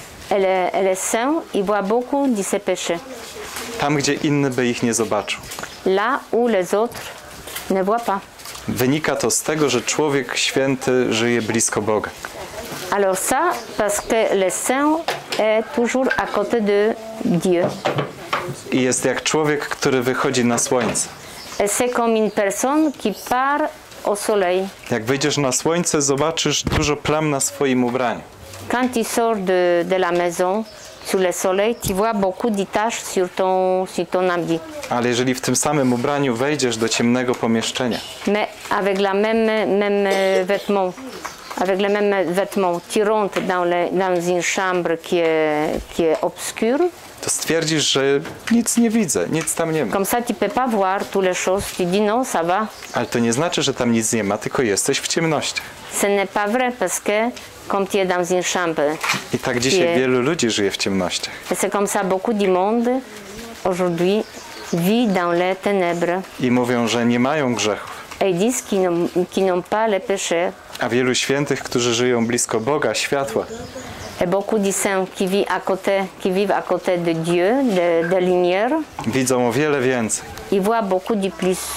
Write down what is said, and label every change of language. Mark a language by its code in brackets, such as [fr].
[fr] Elle est saint, il voit beaucoup de ses péchés. [pl] Tam, gdzie inny by ich nie zobaczył. [fr] Là où les autres ne voient pas. [pl] Wynika to z tego, że człowiek święty żyje blisko Boga. [fr] Alors ça, parce que le saint est toujours à côté de Dieu. [pl] I jest jak człowiek, który wychodzi na słońce. [fr] Et c'est comme une personne qui part. [pl] Jak wyjdziesz na słońce, zobaczysz dużo plam na swoim ubraniu. [fr] Quand tu sors de la maison sous le soleil, tu vois beaucoup de taches sur ton habit. [pl] Ale jeżeli w tym samym ubraniu wejdziesz do ciemnego pomieszczenia, [fr] mais avec la même vêtement, avec le même vêtement, tu rentres dans une chambre qui est obscure. [pl] To stwierdzisz, że nic nie widzę, nic tam nie ma. [fr] Comme ça, tu peux pas voir tous les choses, tu dis non, ça va. [pl] Ale to nie znaczy, że tam nic nie ma, tylko jesteś w ciemności. [fr] Ce n'est pas vrai, parce que comme tu es dans une chambre. [pl] I tak dzisiaj wielu ludzi żyje w ciemnościach. [fr] C'est comme ça, beaucoup de monde aujourd'hui vit dans les ténèbres. [pl] I mówią, że nie mają grzechów. [fr] Et dis qu'ils n'ont pas les péchés. [pl] A wielu świętych, którzy żyją blisko Boga, światła. [fr] Et beaucoup de saints qui vivent à côté de Dieu, de lumière. [pl] Widzą o wiele więcej. [fr] I voient beaucoup de plus.